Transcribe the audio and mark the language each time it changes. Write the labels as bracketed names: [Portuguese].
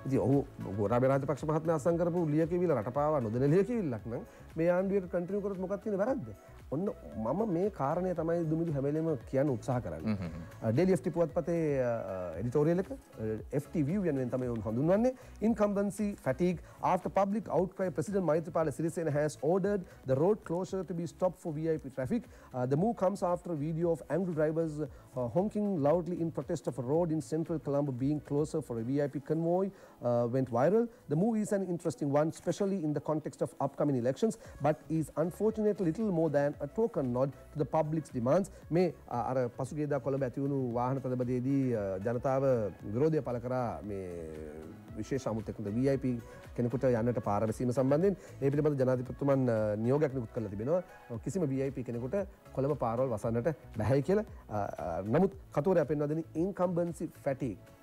[Sinhala] ඉතින් ඔහු ගෝඨාභය රාජපක්ෂ මහත්මයා අත්සන් කරපු ලියකියවිල්ල රට පාවා නොදෙන ලියකියවිල්ලක් නම් මේ ආණ්ඩුවේ කන්ටිනියු කරොත් මොකක්ද තියෙන වැරද්ද? ඔන්න මම මේ කාරණය තමයි දුමිදු හැම වෙලෙම කියන්න උත්සාහ කරන්නේ. ඩේලි FT පුවත්පතේ එඩිටෝරියල් එක FT view වෙනුවෙන් තමයි උන් හඳුන්වන්නේ. [English] Incumbency fatigue after public outcry President Maithripala Sirisena has ordered the road closure to be stopped for VIP traffic. The move comes after a video of angry drivers honking loudly in protest of a road in central Colombo being closer for a VIP convoy went viral. The move is an interesting one, especially in the context of upcoming elections, but is unfortunately little more than a token nod to the public's demands. [Sinhala] මේ අර පසුගියදා කොළඹ ඇති වුණු වාහන ප්‍රතිබදයේදී ජනතාව විරෝධය පළ කරා මේ විශේෂ අමුත්‍යකුන්ට VIP කෙනෙකුට යන්නට පාර වැසීම සම්බන්ධයෙන් ඒ පිළිබඳ ජනාධිපතිතුමන් නියෝගයක් නිකුත් කරලා තිබෙනවා. කිසිම VIP කෙනෙකුට කොළඹ පාරවල් වසන්නට බැහැයි කියලා. නමුත් කතුවරයා පෙන්වා දෙන incumbency fatigue